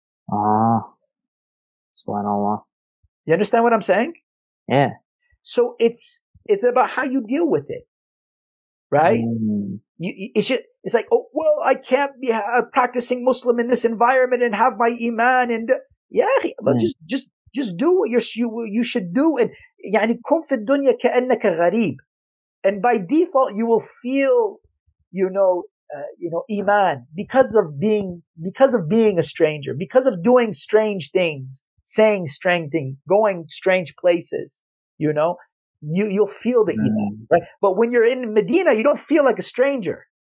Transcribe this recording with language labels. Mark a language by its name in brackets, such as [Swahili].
[English] SubhanAllah. You understand what I'm saying? Yeah. So it's about how you deal with it, right? It's like, oh, well, I can't be a practicing Muslim in this environment and have my iman. And just do what you should do. [Arabic] And يعني كن في الدنيا كأنك غريب. [English] And by default, you will feel, iman because of being a stranger, because of doing strange things, saying strange things, going strange places. You know, you'll feel the iman, right? But when you're in Medina, you don't feel like a stranger.